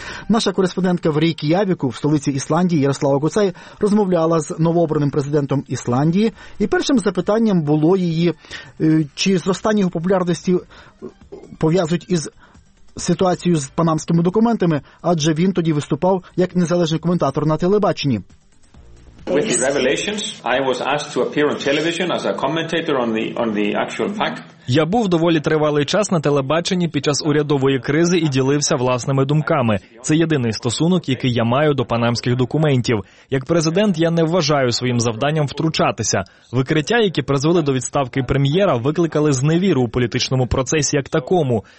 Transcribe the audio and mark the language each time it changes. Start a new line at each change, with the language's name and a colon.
Ukrainian: Наша кореспондентка в Рейкявіку, в столиці Ісландії, Ярослава Куцай, розмовляла з новообраним президентом Ісландії. І першим запитанням було її, чи зростання його популярності пов'язують із ситуацією з панамськими документами, адже він тоді виступав як незалежний коментатор на телебаченні.
English: With these revelations, I was asked to appear on television as a commentator on the actual fact.
Ukrainian: Я був доволі тривалий час на телебаченні під час урядової кризи і ділився власними думками. Це єдиний стосунок, який я маю до панамських документів. Як президент, я не вважаю своїм завданням втручатися. Викриття, які призвели до відставки прем'єра, викликали зневіру у політичному процесі як такому.